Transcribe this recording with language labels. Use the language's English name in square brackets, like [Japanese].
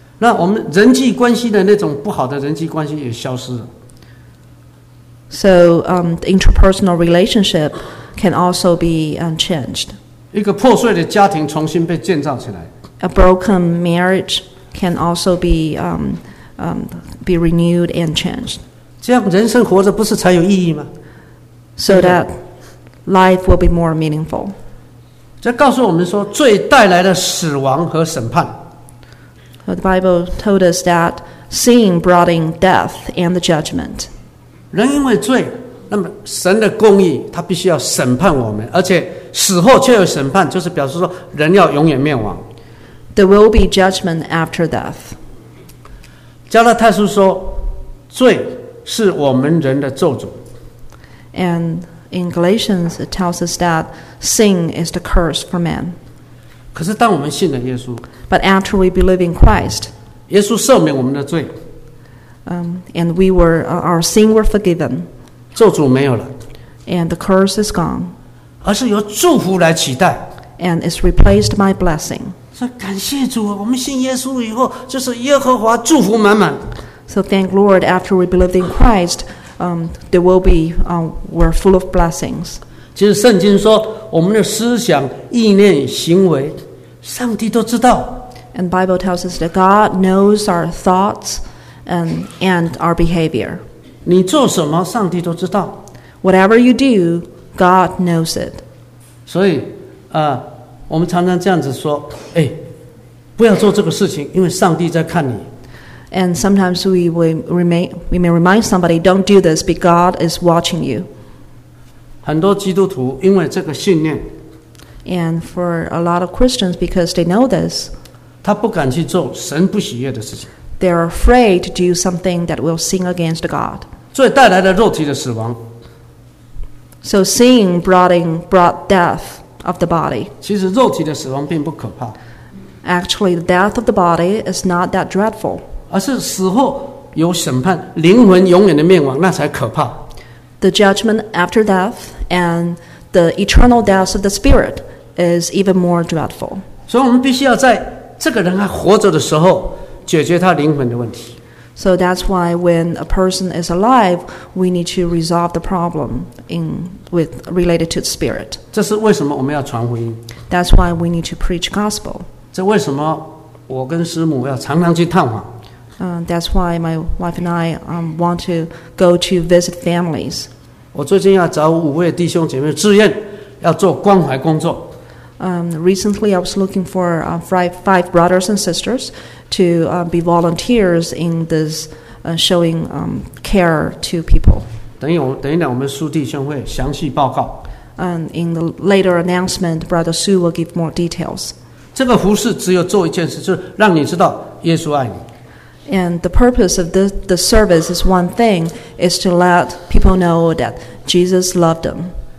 [Chinese] 那我们人际关系的那种不好的人际关系也消失了。 [English] So the interpersonal relationship can also be changed. [Chinese] 一个破碎的家庭重新被建造起来。 [English] A broken marriage can also be be renewed and changed. [Chinese] 这样人生活着不是才有意义吗？ [English] So that life will be more meaningful. [Chinese] 这告诉我们说，罪带来的死亡和审判。 [English] The Bible told us that sin brought in death and the judgment. [Chinese] 人因为罪，那么神的公义他必须要审判我们，而且死后却有审判，就是表示说人要永远灭亡。 [English] There will be judgment after death. [Chinese] 加拉太书说，罪是我们人的咒诅。 [English] And in Galatians, it tells us that sin is the curse for man. [Chinese] 可是当我们信了耶稣, [English] but after we believe in Christ, [Chinese] 耶稣赦免我们的罪, [English] and we were, our sin were forgiven, [Chinese] 咒诅没有了, [English] and the curse is gone, [Chinese] 而是由祝福来取代, [English] and it's replaced by blessing. [Chinese] 所以感谢主啊, 我们信耶稣以后, 就是耶和华祝福满满。 [English] So thank Lord, after we believe in Christ,there will be, we're full of blessings. [Chinese] 其实圣经说，我们的思想、意念、行为，上帝都知道。 [English] And Bible tells us that God knows our thoughts and our behavior. [Chinese] 你做什么，上帝都知道。 [English] Whatever you do, God knows it. [Chinese] 所以，我们常常这样子说，哎，不要做这个事情，因为上帝在看你。 [English] And sometimes we may remind somebody, don't do this, because God is watching you. [Chinese] 很多基督徒因为这个信念, [English] and for a lot of Christians, because they know this, [Chinese] 他不敢去做神不喜悦的事情, [English] they're afraid to do something that will sin against God. [Chinese] 罪带来了肉体的死亡, [English] so sin brought death of the body. [Chinese] 其实肉体的死亡并不可怕, [English] actually the death of the body is not that dreadful. [Chinese] 而是死后有审判，灵魂永远的灭亡，那才可怕。 [English] The judgment after death and the eternal death of the spirit is even more dreadful. [Chinese] 所以我们必须要在这个人还活着的时候解决他灵魂的问题。 [English] So that's why when a person is alive, we need to resolve the problem related to the spirit. [Chinese] 这是为什么我们要传福音? [English] That's why we need to preach gospel. [Chinese] 这为什么我跟师母要常常去探访? [English] That's why my wife and I want to go to visit families. [Chinese] 我最近要找五位弟兄姐妹志愿，要做关怀工作。 [English] Recently, I was looking for five brothers and sisters to be volunteers in this showing care to people. [Chinese] 等一等，我们苏弟兄会详细报告。 [English] In the later announcement, Brother Su will give more details. [Chinese] 这个服事只有做一件事，就是让你知道耶稣爱你。 [English] And the purpose of the service is one thing, is to let people know that Jesus loved them.